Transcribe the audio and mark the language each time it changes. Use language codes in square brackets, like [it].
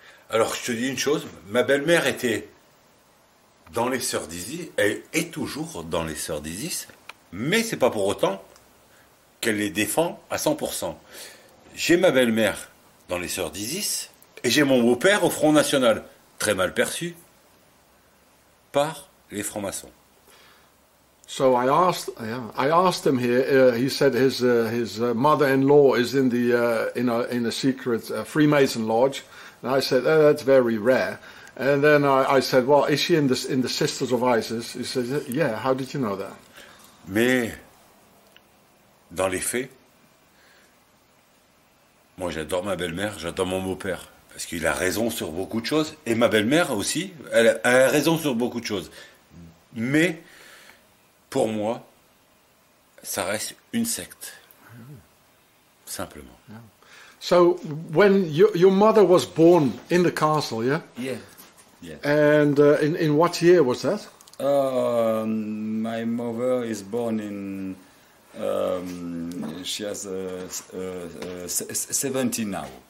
[fr] Alors, je te dis une chose, ma belle-mère était dans les Sœurs d'Isis, elle est toujours dans les Sœurs d'Isis, mais c'est pas pour autant qu'elle les défend à 100%. J'ai ma belle-mère dans les Sœurs d'Isis, et j'ai mon beau-père au Front National, très mal perçu par les francs-maçons. [en] So I asked. I asked him here. He said his mother-in-law is in the in a secret Freemason lodge, and I said that's very rare. And then I said, well, is she in the Sisters of Isis? He said, yeah. How did you know that? [fr] Mais dans les faits, moi j'adore ma belle-mère, j'adore mon beau-père, parce qu'il a raison sur beaucoup de choses, et ma belle-mère aussi, elle a raison sur beaucoup de choses, mais pour moi, ça reste une secte, simplement. [en] Yeah. So when your mother was born in the castle, yeah? Yeah. And in what year was that? My mother is born in, she has 70 now.